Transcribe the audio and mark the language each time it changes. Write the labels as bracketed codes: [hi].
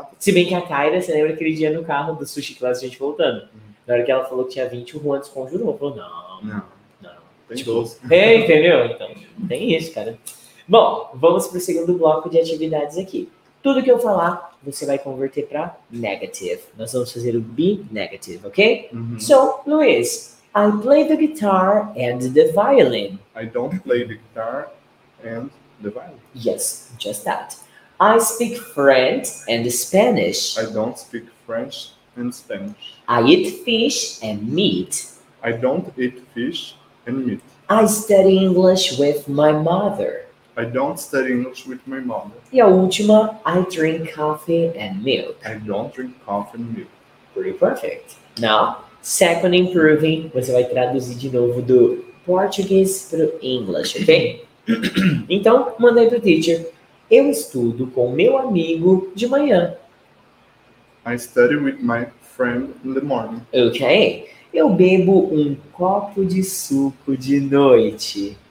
[pt] Se bem que a Kyra, você lembra aquele dia no carro do Sushi Class, a gente voltando? Uhum. Na hora que ela falou que tinha 20, o Juan desconjurou. Falou, não. Não. Tem 12. Tipo, entendeu? Então, tem isso, cara. Bom, vamos pro segundo bloco de atividades aqui. Tudo que eu falar, você vai converter para negative. Nós vamos fazer o be negative, ok? Uhum. [en] So, Luiz, I play the guitar and the violin. I don't play the guitar and the violin. Yes, just that. I speak French and Spanish. I don't speak French and Spanish. I eat fish and meat. I don't eat fish and meat. I study English with my mother. I don't study English with my mother. [pt] E a última, [en] I drink coffee and milk. I don't drink coffee and milk. Pretty perfect. Now, second improving, [pt] você vai traduzir de novo do português para o English, ok? Então, manda aí pro teacher. Eu estudo com meu amigo de manhã. [en] I study with my friend in the morning. Ok. [pt] Eu bebo um copo de suco de noite.